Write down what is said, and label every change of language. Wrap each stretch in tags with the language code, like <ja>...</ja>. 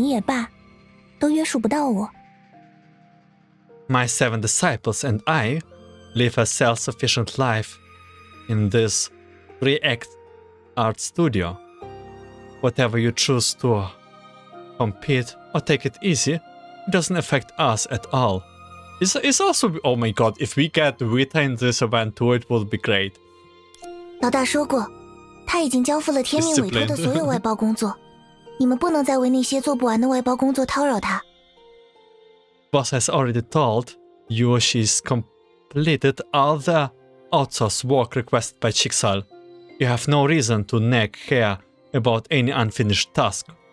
<zh>你们内卷也好,躺平也罢,都约束不到我。</zh> <en>My seven disciples and I live a self-sufficient life in this React art studio. Whatever you choose to compete or take it easy, it doesn't affect us at all. It's also... Oh my god, if we get Vita in this event too, it would be great.</en> <zh>老大说过,他已经交付了天命委托的所有外包工作。</zh> <en>Boss has already told you she's completed all the outsource work requested by Chixal. You have no reason to nag her about any unfinished task.</en>